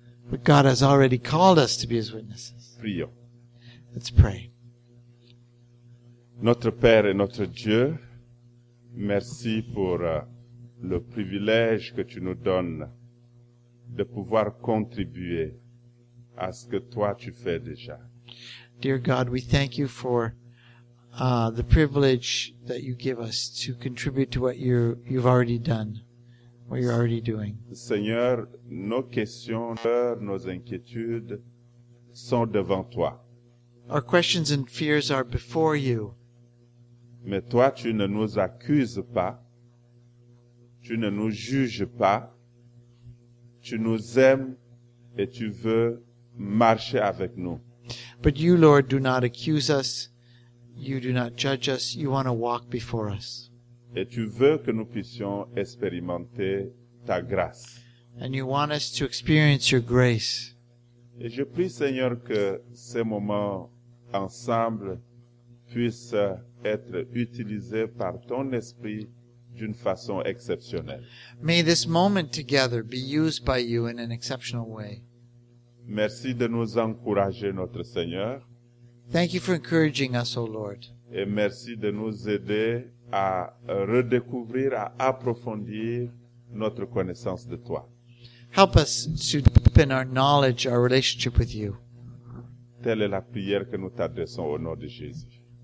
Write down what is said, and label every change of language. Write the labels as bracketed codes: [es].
[en] But God has already called us to be his witnesses. [fr] Prions. [en] Let's pray. [fr] Notre Père et notre Dieu, merci pour le privilège que tu nous donnes de pouvoir contribuer à ce que toi tu fais déjà. [en] Dear God, we thank you for the privilege that you give us to contribute to what you've already done, what you're already doing. [fr] Seigneur, nos questions, nos inquiétudes sont devant toi. [en] Our questions and fears are before you. [fr] Mais toi, tu ne nous accuses pas. Tu ne nous juges pas. Tu nous aimes et tu veux marcher avec nous. [en] But you, Lord, do not accuse us. You do not judge us. You want to walk before us. [fr] Et tu veux que nous puissions expérimenter ta grâce. [en] And you want us to experience your grace. [fr] Et je prie, Seigneur, que ces moments ensemble puissent être utilisés par ton esprit d'une façon exceptionnelle. [en] May this moment together be used by you in an exceptional way. [fr] Merci de nous encourager, notre Seigneur. [en] Thank you for encouraging us, O Lord. [fr] Et merci de nous aider à redécouvrir, à approfondir notre connaissance de toi. [en] Help us to deepen our knowledge, our relationship with you. [fr] Telle est la prière que nous t'adressons au nom de Jésus.